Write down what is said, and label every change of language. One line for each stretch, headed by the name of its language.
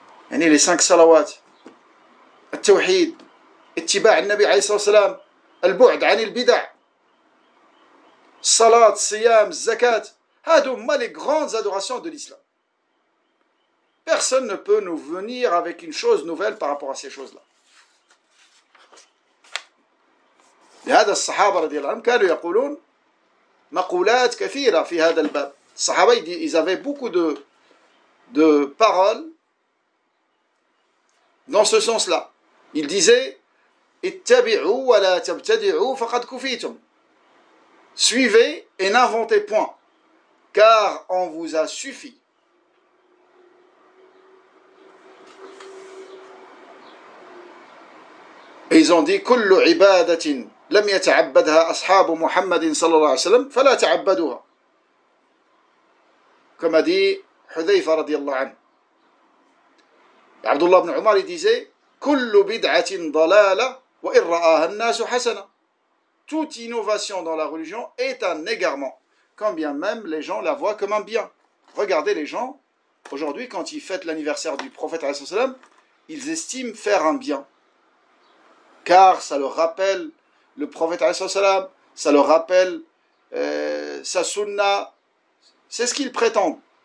French: Yani les cinq salawat, le tawhid, l'ittiba' al-Nabi alayhi salam,
Arabic: al-bu'd an al-bid'a,
French: salat, siyam, zakat, hadouma les grandes adorations de l'islam. Personne ne peut nous venir avec une chose nouvelle par rapport à ces choses-là.
Arabic: هذا الصحابة رضي الله عنهم كانوا يقولون مقولات كثيرة في هذا الباب.
French: الصحابة ils avaient beaucoup de paroles dans ce sens-là. Ils disaient
Arabic: اتبعوا ولا تبتدعوا فقد كفيتم.
French: Suivez et n'inventez point, car on vous a suffi. Et ils ont dit
Arabic: كل عبادة لم يتعبدها أصحاب محمد صلى الله عليه وسلم فلا تعبدوها. كما دي حذيفة رضي الله عنه. عبد الله بن عمر
French: disait
Arabic: كل بدعة ضلالة وإن رآها الناس حسنة.
French: Toute innovation dans la religion est un égarement, quand bien même les gens la voient comme un bien. Regardez les gens aujourd'hui, quand ils fêtent l'anniversaire du prophète, ils estiment faire un bien, car ça leur rappelle le prophète, ça leur rappelle sa sunna, c'est ce qu'ils prétendent.